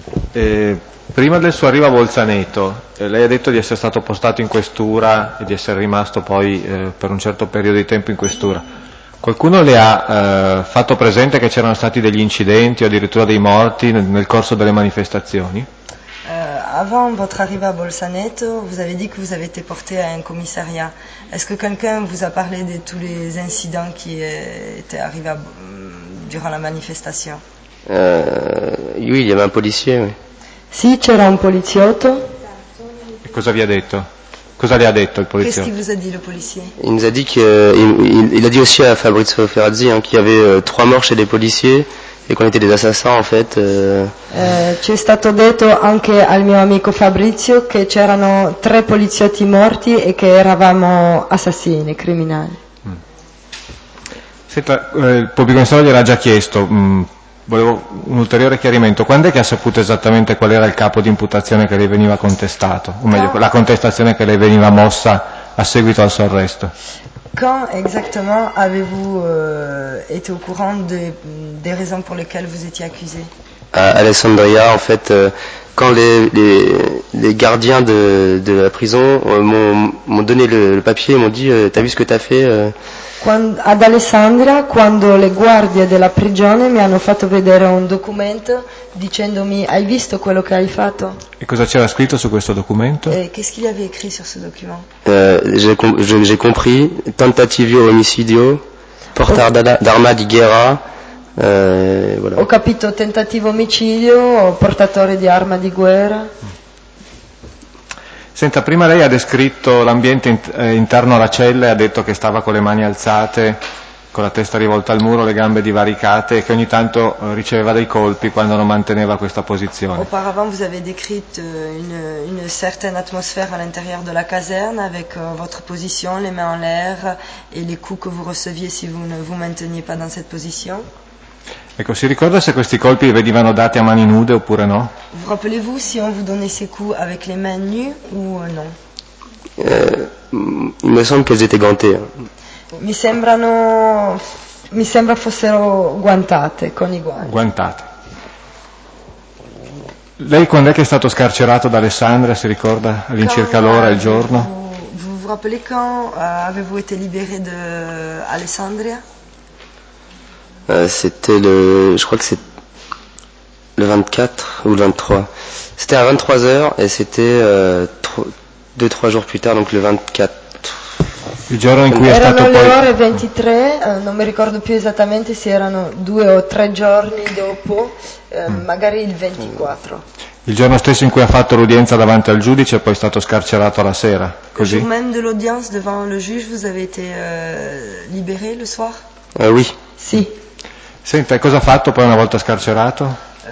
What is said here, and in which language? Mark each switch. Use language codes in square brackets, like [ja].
[it] Prima del suo arrivo a Bolzaneto, lei ha detto di essere stato postato in questura e di essere rimasto poi per un certo periodo di tempo in questura. Qualcuno le ha fatto presente che c'erano stati degli incidenti o addirittura dei morti nel corso delle manifestazioni? [fr] Avant votre arrivée à Bolzaneto, vous avez dit que vous avez été porté à un commissariat. Est-ce que quelqu'un vous a parlé de tous les incidents qui étaient arrivés durant la manifestation? Oui, il y avait un policier, oui. [it] Si, c'era un poliziotto. E cosa vi ha detto? Cosa le ha detto il poliziotto? [fr] Qu'est-ce qu'il vous a dit, le policier? Il nous a dit qu'il a dit aussi à Fabrizio Ferrazzi hein, qu'il y avait trois morts chez les policiers. [it] E quando erano degli assassini, in fatto. Ci è stato detto anche al mio amico Fabrizio che c'erano tre poliziotti morti e che eravamo assassini, criminali. Senta, il pubblico ministero gliel'ha già chiesto. Volevo un ulteriore chiarimento. Quando è che ha saputo esattamente qual era il capo di imputazione che le veniva contestato? O meglio, la contestazione che le veniva mossa a seguito al suo arresto? [fr] Quand exactement avez-vous été au courant des raisons pour lesquelles vous étiez accusé? à Alessandria, en fait, quand les gardiens de la prison m'ont donné le papier, ils m'ont dit, t'as vu ce que t'as fait [it] Quando, ad Alessandria, quando le guardie della prigione mi hanno fatto vedere un documento dicendomi, hai visto quello che hai fatto? E cosa c'era scritto su questo documento? [fr] Qu'est-ce qu'il y avait écrit sur ce document? J'ai compris, [it] tentativi o omicidio, portare d'arma di guerra. [fr] Voilà. [it] Ho capito, tentativo omicidio, portatore di arma di guerra. Senta, prima lei ha descritto l'ambiente interno alla cella e ha detto che stava con le mani alzate, con la testa rivolta al muro, le gambe divaricate e che ogni tanto riceveva dei colpi quando non manteneva questa posizione. [fr] Auparavant vous avez décrit une certaine atmosphère à l'intérieur de la caserne avec votre position, les mains en l'air et les coups que vous receviez si vous ne vous manteniez pas dans cette position. [it] Ecco, si ricorda se questi colpi venivano dati a mani nude oppure no? [fr] Vous rappelez-vous si on vous donnait ces coups avec les mains nues ou non? Il me semble qu'elles étaient gantées. [it] Mi sembra fossero guantate, con i guanti. Guantate. Lei quando è che è stato scarcerato da Alessandria, si ricorda, all'incirca l'ora, il giorno? [fr] Vous rappelez quand avez-vous été libéré de Alessandria? C'était le, je crois que c'est le 24 ou le 23. C'était à 23h et c'était 2-3 jours plus tard, donc le 24. [it] Il giorno in cui è stato le ore 23, non mi ricordo più esattamente se erano 2 o 3 giorni dopo, magari il 24. Il giorno stesso in cui ha fatto l'udienza davanti al giudice e poi è stato scarcerato alla sera, così? [fr] Le jour même de l'audience devant le juge, vous avez été libéré le soir? Oui. [it] Sì. Senta, cosa ha fatto poi una volta scarcerato?